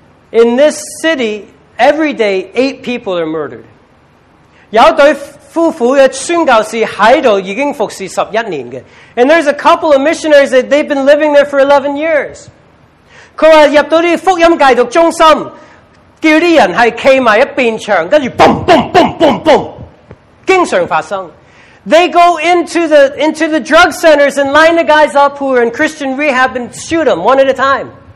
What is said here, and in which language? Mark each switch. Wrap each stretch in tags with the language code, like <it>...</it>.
<en>In this city, every day, 8 people are murdered.</en> <zh>有对夫妇的宣教士在这里已经服侍11年的.</zh> <en>And there's a couple of missionaries that they've been living there for 11 years.</en> <zh>他说,入到这些福音戒毒中心, 叫这些人站在一边墙, 然后,boom,boom,boom,boom,boom, 经常发生.</zh> <en>They go into the drug centers and line the guys up who are in Christian rehab and shoot them one at a time.</en>